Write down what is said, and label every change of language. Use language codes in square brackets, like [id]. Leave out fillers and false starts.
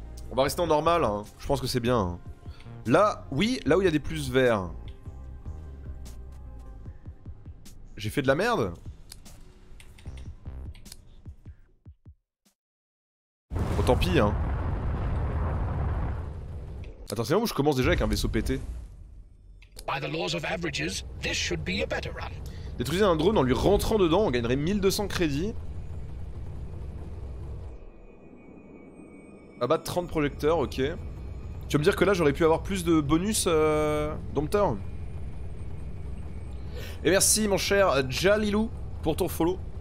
[fr] On va rester en normal, hein. Je pense que c'est bien. Là, oui, là où il y a des plus verts. J'ai fait de la merde. Bon, tant pis, hein. Attends, c'est là où je commence déjà avec un vaisseau pété. [en] By the laws of averages, this should be a better run. [fr] Détruisez un drone en lui rentrant dedans, on gagnerait 1200 crédits. Abattre 30 projecteurs, ok. Tu vas me dire que là j'aurais pu avoir plus de bonus dompteur. Et merci mon cher Jalilou pour ton follow.